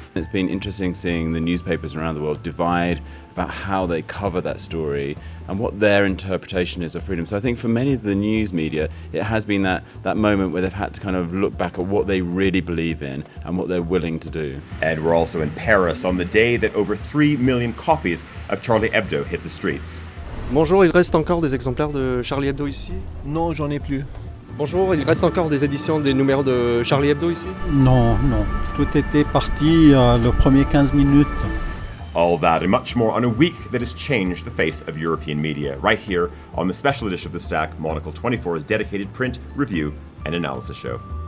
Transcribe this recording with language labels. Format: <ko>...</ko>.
<en>It's been interesting seeing the newspapers around the world divide about how they cover that story and what their interpretation is of freedom. So I think for many of the news media, it has been that moment where they've had to kind of look back at what they really believe in and what they're willing to do. And we're also in Paris on the day that over 3 million copies of Charlie Hebdo hit the streets.</en> <fr>Bonjour, il reste encore des exemplaires de Charlie Hebdo ici? Non, j'en ai plus. Bonjour, il reste encore des éditions des numéros de Charlie Hebdo ici? Non. Tout était parti le premier 15 minutes.</fr> <en>All that and much more on a week that has changed the face of European media. Right here on the special edition of The Stack, Monocle 24's dedicated print, review and analysis show.</en>